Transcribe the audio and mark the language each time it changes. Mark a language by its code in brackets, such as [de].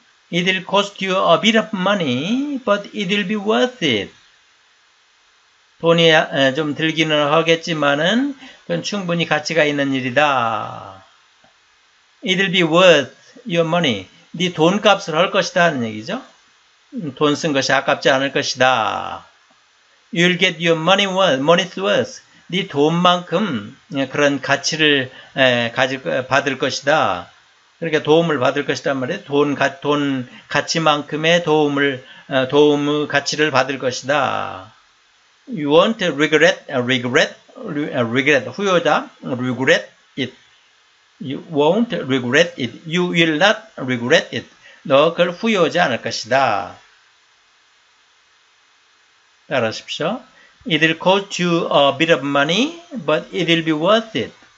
[en] It'll cost you a bit of money, but it'll be worth it. [ko] 돈이 좀 들기는 하겠지만은 그건 충분히 가치가 있는 일이다. [en] It'll be worth your money. [ko] 네 돈값을 할 것이다 하는 얘기죠. 돈 쓴 것이 아깝지 않을 것이다. [en] You'll get your money worth. Money's worth. [ko] 네 돈만큼 그런 가치를 받을 것이다. 그렇게 도움을 받을 것이란 말이에요. 돈 가치만큼의 도움의 가치를 받을 것이다. [en] You won't regret [ko] 후회다. [en] Regret it. You won't regret it. You will not regret it. [ko] 너 그걸 후회하지 않을 것이다. 따라하십시오. [en] It'll cost you a bit of money, but it'll be worth it.